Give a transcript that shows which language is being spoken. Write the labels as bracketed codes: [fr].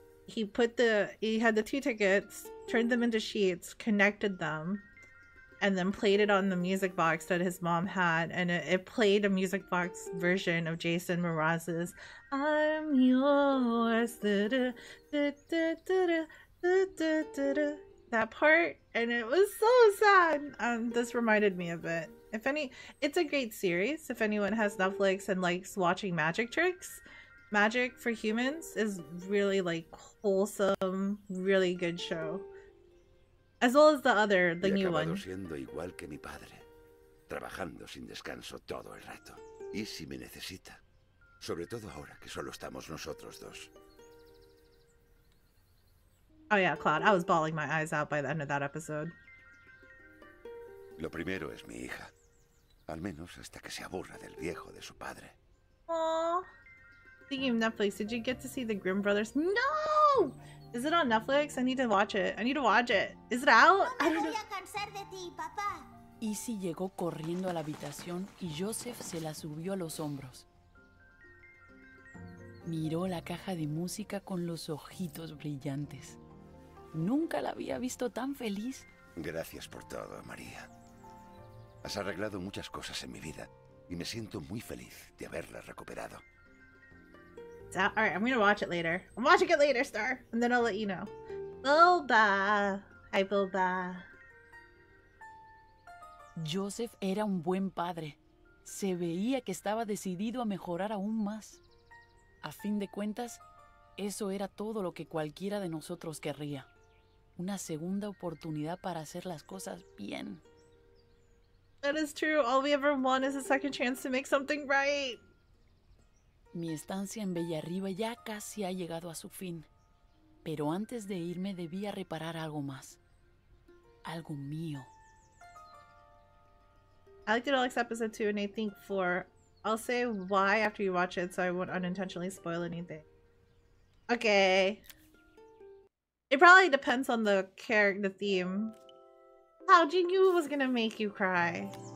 [en] he put the, he had the two tickets, turned them into sheets, connected them, and then played it on the music box that his mom had, and it played a music box version of Jason Mraz's I'm yours, that part, and it was so sad. This reminded me of it. It's a great series. If anyone has Netflix and likes watching magic tricks, Magic for Humans is really like wholesome, really good show. As well as the other, the new one. [es] Siendo igual que mi padre, trabajando sin descanso todo el rato. Y si me necesita, sobre todo ahora que solo estamos nosotros dos. [en] Oh yeah, Cloud, I was bawling my eyes out by the end of that episode. [es] Lo primero es mi hija. Al menos hasta que se aburra del viejo de su padre. Aww. [en] Speaking of Netflix, did you get to see the Grimm Brothers? No! Is it on Netflix? I need to watch it. I need to watch it. Is it out? [es] No me voy a cansar de ti, papá. Izzy llegó corriendo a la habitación y Joseph se la subió a los hombros. Miró la caja de música con los ojitos brillantes. Nunca la había visto tan feliz. Gracias por todo, María. Has arreglado muchas cosas en mi vida y me siento muy feliz de haberla recuperado. [en] So, all right, I'm gonna watch it later. I'm watching it later, Star, and then I'll let you know. Bilba, hi Bilba. [es] Joseph era un buen padre. Se veía que estaba decidido a mejorar aún más. A fin de cuentas, eso era todo lo que cualquiera de nosotros querría. Una segunda oportunidad para hacer las cosas bien. [en] That is true. All we ever want is a second chance to make something right. [es] Mi estancia en Bella Arriba ya casi ha llegado a su fin. Pero antes de irme debía reparar algo más. Algo mío. [en] I liked it all except episode 2 and I think 4. I'll say why after you watch it so I won't unintentionally spoil anything. Okay. It probably depends on the character, the theme. How do you knew it was gonna make you cry?